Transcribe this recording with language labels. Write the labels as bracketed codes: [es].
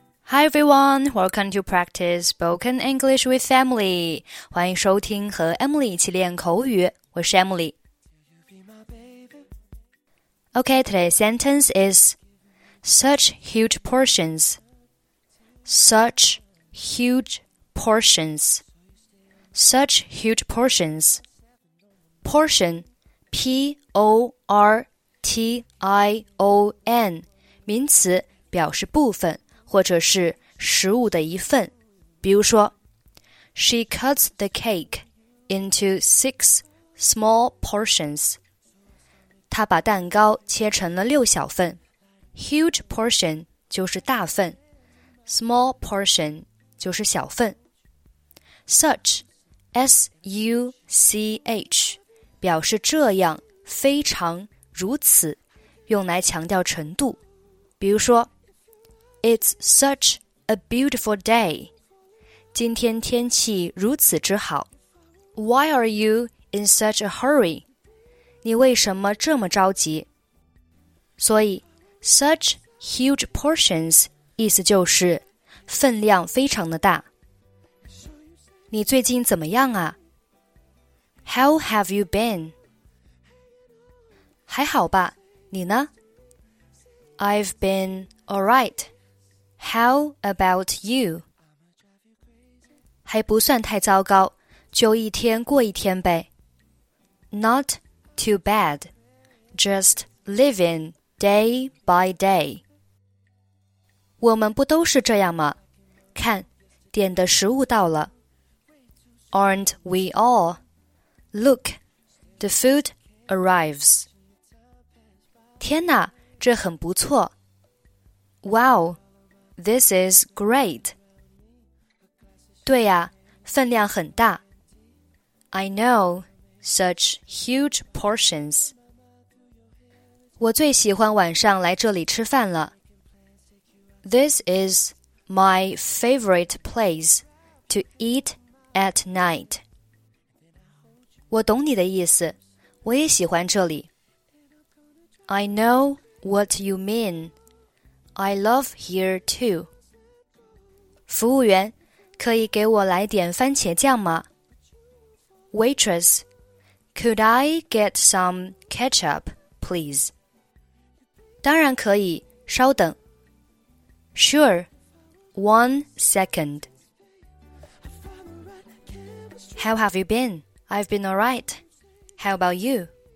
[en] Hi everyone, welcome to practice spoken English with Emily. [zh] 欢迎收听和 Emily 一起练口语，我是 Emily. [en] Okay, today's sentence is such huge portions. Such huge portions. Such huge portions. [zh] Portion, P-O-R-T-I-O-N, 名词表示部分。或者是食物的一份，比如说 [en] She cuts the cake into 6 small portions. [zh] 她把蛋糕切成了六小份。 Huge portion 就是大份， small portion 就是小份。 Such, S-U-C-H, 表示这样，非常，如此，用来强调程度，比如说 [en] It's such a beautiful day. [zh] 今天天气如此之好。 [en] Why are you in such a hurry? [zh] 你为什么这么着急？所以 ,such huge portions 意思就是分量非常的大。你最近怎么样啊？ [en] How have you been? [zh] 还好吧，你呢？ [en] I've been all right. How about you? [zh] 还不算太糟糕，就一天过一天呗。 [en] Not too bad, just living day by day. [zh] 我们不都是这样吗？看，点的食物到了。 [en] Aren't we all? Look, the food arrives. [zh] 天哪，这很不错。Wow! [en] This is great. [zh] 对呀，分量很大。 [en] I know, such huge portions. [zh] 我最喜欢晚上来这里吃饭了。 [en] This is my favorite place to eat at night. [zh] 我懂你的意思，我也喜欢这里。 [en] I know what you mean. I love here too. [zh] 服务员，可以给我来点番茄酱吗？ [en] Waitress, could I get some ketchup, please? [zh] 当然可以，稍等。 [en] Sure, one second. How have you been? I've been all right. How about you?